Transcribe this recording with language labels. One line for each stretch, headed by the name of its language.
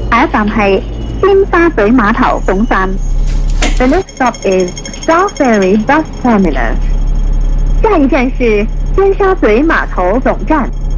Chinese: 下一站是尖沙咀码头总站。
English: The next stop is Star Ferry Bus Terminal.
Chinese: 下一站是尖沙咀码头总站。